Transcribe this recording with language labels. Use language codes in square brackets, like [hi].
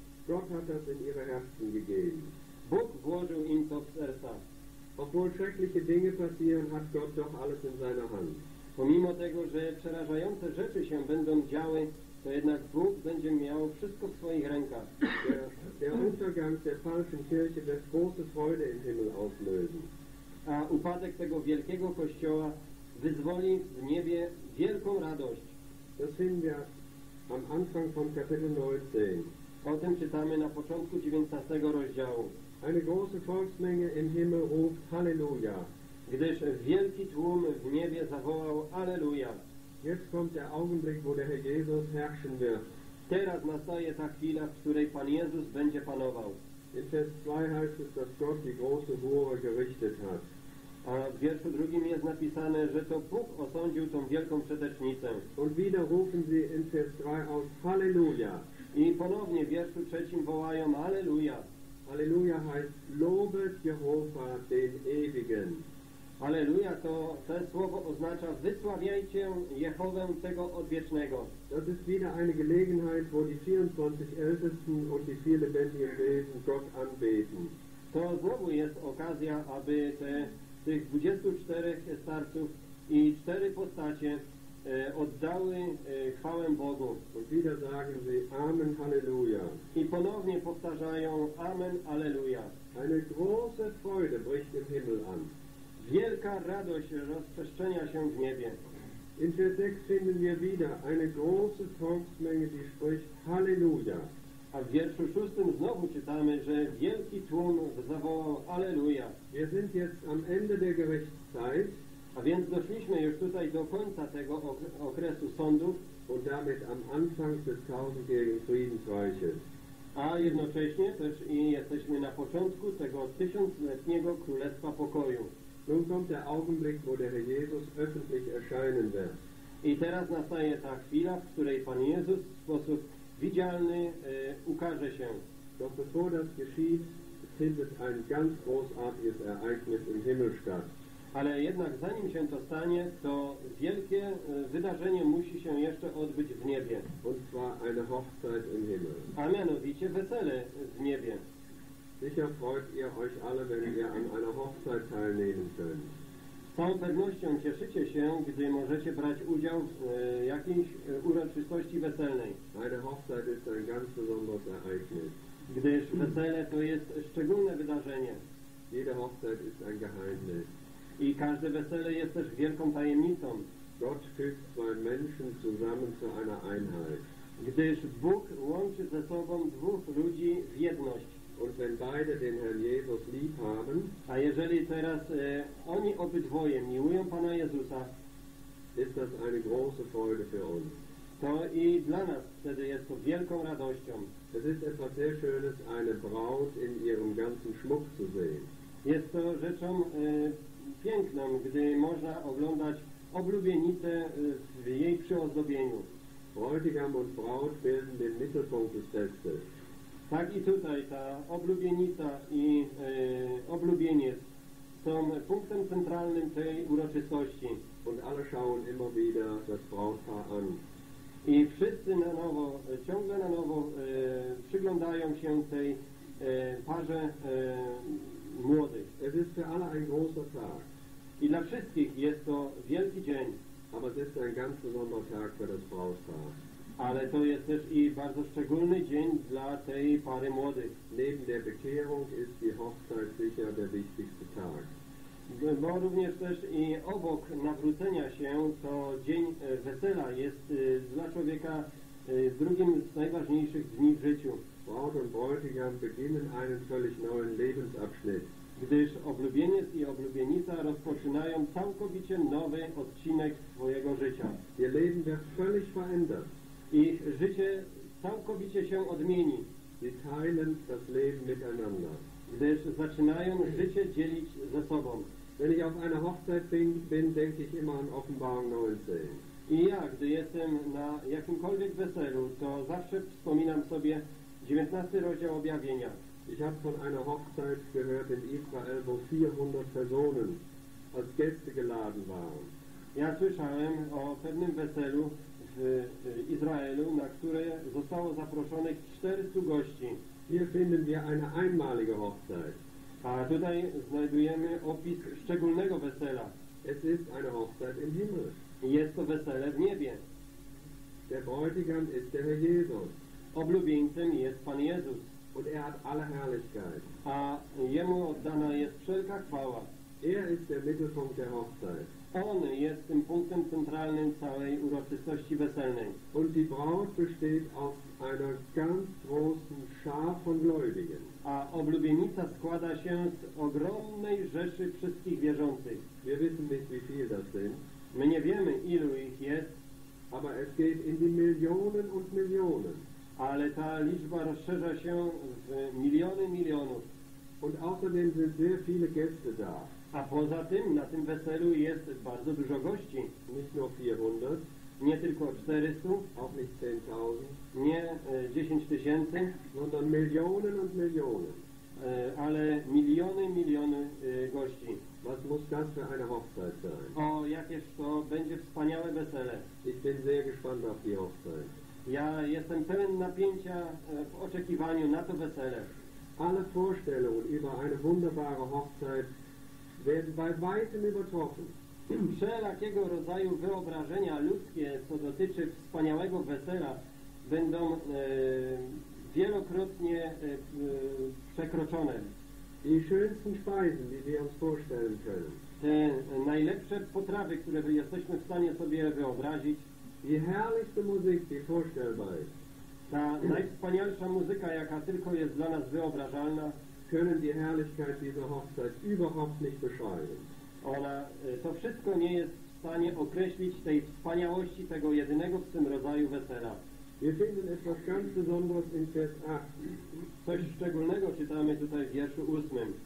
[de] Gott hat das in ihre Herzen gegeben. [pl] Bóg włożył im to w serca. [de] Obwohl schreckliche Dinge passieren, hat Gott doch alles in seiner Hand. [pl] Pomimo tego, że przerażające rzeczy się będą działy, to jednak Bóg będzie miał wszystko w swoich rękach. [de] Der Untergang der falschen Kirche wird große Freude im Himmel auslösen. [pl] A upadek tego wielkiego kościoła wyzwoli w niebie wielką radość. [de] Das finden wir am Anfang von Kapitel 19. [pl] O tym czytamy na początku 19 rozdziału. [de] Eine große Volksmenge im Himmel ruft Halleluja. [pl] Gdyż wielki tłum w niebie zawołał Alleluja. [de] Jetzt kommt der Augenblick, wo der Herr Jesus herrschen wird. [pl] Teraz nastaje ta chwila, w której Pan Jezus będzie panował. [de] In Vers 2 heißt es, dass Gott die große Hure gerichtet hat. [pl] A w wierszu drugim jest napisane, że to Bóg osądził tą wielką przetecznicę. [de] Und wieder rufen sie in Vers 3 aus Halleluja. [pl] I ponownie w wierszu trzecim wołają Alleluja. [de] Alleluja heißt lobet Jehova den Ewigen. [pl] Alleluja to te słowo oznacza wysławiajcie Jehowę tego odwiecznego. [de] Das ist wieder eine Gelegenheit, wo die 24 Ältesten und die vier lebendigen Wesen Gott anbeten. [pl] To znowu jest okazja, aby tych 24 starców i cztery postacie oddały chwałę Bogu. [de] Und wieder sagen sie Amen, Halleluja. [pl] I ponownie powtarzają Amen, Alleluja. [de] Eine große Freude bricht im Himmel an. [pl] Wielka radość rozprzestrzenia się w niebie. [de] In Vers 6 finden wir wieder eine große Volksmenge, die spricht Halleluja. [pl] A w wierszu szóstym znowu czytamy, że wielki tłum zawołał Alleluja. [de] Wir sind jetzt am Ende der Gerichtszeit. [pl] A więc doszliśmy już tutaj do końca tego okresu sądów. [de] Und damit am Anfang des tausendjährigen Friedensreiches. [pl] A jednocześnie też i jesteśmy na początku tego tysiącletniego Królestwa Pokoju. [de] Nun kommt der Augenblick, wo der Herr Jesus öffentlich erscheinen wird. [pl] I teraz nastaje ta chwila, w której Pan Jezus w sposób widzialny ukaże się. [de] Doch bevor das geschieht, findet ein ganz großartiges Ereignis im Himmel statt. [pl] Ale jednak zanim się to stanie, to wielkie wydarzenie musi się jeszcze odbyć w niebie. [de] Und zwar eine Hochzeit im Himmel. [pl] A mianowicie wesele w niebie. [de] Sicher freut ihr euch alle, wenn ihr an einer Hochzeit teilnehmen könnt. [pl] Z całą pewnością cieszycie się, gdy możecie brać udział w jakiejś uroczystości weselnej. [de] Eine Hochzeit ist ein ganz besonderes Ereignis. [pl] Gdyż wesele to jest szczególne wydarzenie. [de] Jede Hochzeit ist ein Geheimnis. [pl] I każde wesele jest też wielką tajemnicą. [de] Gott fügt zwei Menschen zusammen zu einer Einheit. [pl] Gdyż Bóg łączy ze sobą dwóch ludzi w jedność. [de] Und wenn beide den Herrn Jesus lieb haben, [pl] a jeżeli teraz oni obydwoje miłują Pana Jezusa, [de] ist das eine große Freude für uns. [pl] To i dla nas wtedy jest to wielką radością. [de] Es ist etwas sehr Schönes, eine Braut in ihrem ganzen Schmuck zu sehen. [pl] Jest to rzeczą piękną, gdy można oglądać oblubienicę w jej przyozdobieniu. [de] Bräutigam und Braut bilden den Mittelpunkt des Festes. [pl] Tak i tutaj ta oblubienica i oblubieniec są punktem centralnym tej uroczystości. [de] Und alle schauen immer wieder das Brautpaar an. [pl] I wszyscy na nowo, ciągle na nowo przyglądają się tej parze młodych. [de] Es ist für alle ein großer Tag. [pl] I dla wszystkich jest to wielki dzień. [de] Aber es ist ein ganz besonderer Tag für das Brautpaar. [pl] Ale to jest też i bardzo szczególny dzień dla tej pary młodych. [de] Neben der Bekehrung ist die Hochzeit sicher der wichtigste Tag. [pl] Bo również też i obok nawrócenia się, to dzień wesela jest dla człowieka drugim z najważniejszych dni w życiu. [de] Braut und Bräutigam beginnen einen völlig neuen Lebensabschnitt. [pl] Gdyż oblubieniec i oblubienica rozpoczynają całkowicie nowy odcinek swojego życia. [de] Ihr Leben wird völlig verändert. [pl] Ich życie całkowicie się odmieni. [de] Sie teilen das Leben miteinander. [pl] Gdyż zaczynają życie dzielić ze sobą. [de] Wenn ich auf einer Hochzeit bin, denke ich immer an Offenbarung 19. [pl] I ja, gdy jestem na jakimkolwiek weselu, to zawsze wspominam sobie 19 rozdział objawienia. [de] Ich habe von einer Hochzeit gehört in Israel, wo 400 Personen als Gäste geladen waren. [pl] Ja słyszałem o pewnym weselu w Izraelu, na które zostało zaproszonych 400 gości. [de] Hier finden wir eine einmalige Hochzeit. [pl] A tutaj znajdujemy opis szczególnego wesela. [de] Es ist eine Hochzeit im Himmel. [pl] Jest to wesele w niebie. [de] Der Bräutigam ist der Herr Jesus. [pl] Oblubieńcem jest Pan Jezus. [de] Und er hat alle Herrlichkeit. [pl] A jemu oddana jest wszelka chwała. [de] Er ist der Mittelpunkt der Hochzeit. [pl] On jest tym punktem centralnym całej uroczystości weselnej. [de] Und die Braut besteht aus einer ganz großen Schar von Gläubigen. [pl] A oblubienica składa się z ogromnej rzeszy wszystkich wierzących. [de] Wir wissen nicht, wie viele das sind. [pl] My nie wiemy, ilu ich jest. [de] Aber es geht in die Millionen und Millionen. [pl] Ale ta liczba rozszerza się w miliony milionów. [de] Und außerdem sind sehr viele Gäste da. [pl] A poza tym, na tym weselu jest bardzo dużo gości. [de] Nicht nur 400. [pl] Nie tylko 400. [de] Auch nicht 10.000. [pl] Nie 10 tysięcy. [de] Sondern Millionen und Millionen. [pl] Ale miliony, miliony gości. [de] Was muss das für eine Hochzeit sein? [pl] O, jakież to będzie wspaniałe wesele. [de] Ich bin sehr gespannt auf die Hochzeit. [pl] Ja jestem pełen napięcia w oczekiwaniu na to wesele. [de] Alle Vorstellungen über eine wunderbare Hochzeit werden bei weitem übertroffen. [pl] Wszelakiego rodzaju wyobrażenia ludzkie, co dotyczy wspaniałego wesela, będą wielokrotnie przekroczone. [de] Die schönsten Speisen, die wir uns vorstellen können. [pl] Te najlepsze potrawy, które jesteśmy w stanie sobie wyobrazić. [de] Die herrlichste Musik, die vorstellbar ist. [pl] Ta najwspanialsza muzyka, jaka tylko jest dla nas wyobrażalna. [de] Können die Herrlichkeit dieser Hochzeit überhaupt nicht beschreiben. [pl] Ona, to wszystko nie jest w stanie określić tej wspaniałości tego jedynego w tym rodzaju wesela. [de] Wir finden etwas ganz Besonderes in Vers 8. [pl] Coś szczególnego czytamy tutaj w wierszu 8.